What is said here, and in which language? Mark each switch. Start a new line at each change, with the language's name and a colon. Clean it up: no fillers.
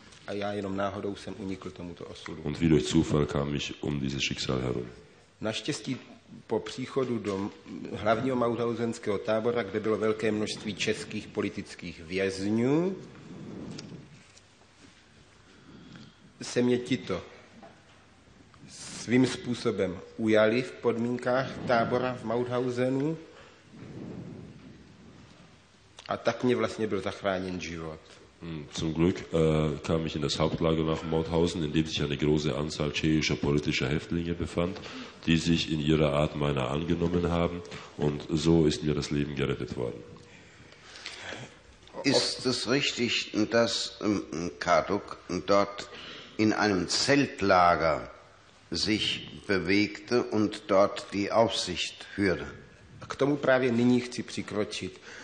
Czech: A já jenom náhodou jsem unikl tomuto osudu.
German: Und wie durch Zufall kam ich um dieses Schicksal herum.
Czech: Naštěstí po příchodu do hlavního mauthausenského tábora, kde bylo velké množství českých politických vězňů, se mě tito svým způsobem ujali v podmínkách tábora v Mauthausenu a tak mě vlastně byl zachráněn život.
German: Zum Glück kam ich in das Hauptlager nach Mauthausen, in dem sich eine große Anzahl tschechischer politischer Häftlinge befand, die sich in ihrer Art meiner angenommen haben. Und so ist mir das Leben gerettet worden. Ist es richtig, dass Kaduk dort in einem Zeltlager sich bewegte und dort die Aufsicht führte?
Czech: K tomu právě nyní chci přikročit.